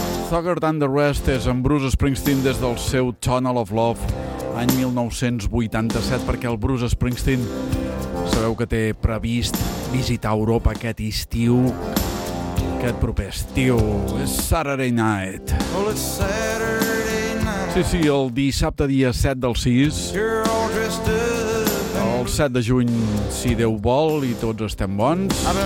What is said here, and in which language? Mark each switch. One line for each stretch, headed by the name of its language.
Catalan: Thugger Than The Rest és en Bruce Springsteen des del seu Tunnel of Love, any 1987, perquè el Bruce Springsteen sabeu que té previst visitar Europa aquest estiu, aquest proper estiu. És Saturday Night.
English: Well, it's Saturday Night.
Catalan: Sí, sí, el dissabte dia 7 del 6.
English: You're all dressed up.
Catalan: El 7 de juny, si Déu vol, i tots estem bons.